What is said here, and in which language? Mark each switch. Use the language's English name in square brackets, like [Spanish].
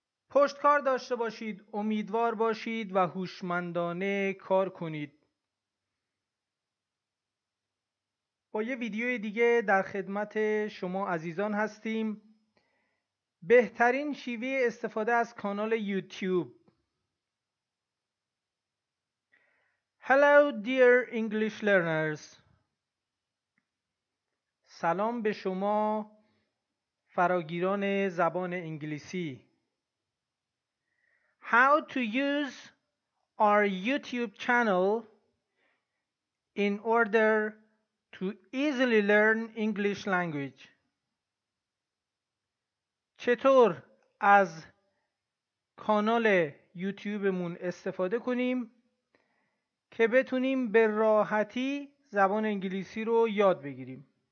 [Persian] پشتکار داشته باشید، امیدوار باشید و هوشمندانه کار کنید. با یه ویدیوی دیگه در خدمت شما عزیزان هستیم. بهترین شیوه استفاده از کانال یوتیوب. [English] Hello dear English learners. [Persian] سلام به شما فراگیران زبان انگلیسی. [English] How to use our YouTube channel in order to easily learn English language. [Persian] چطور از کانال یوتیوبمون استفاده کنیم که بتونیم به راحتی زبان انگلیسی رو یاد بگیریم.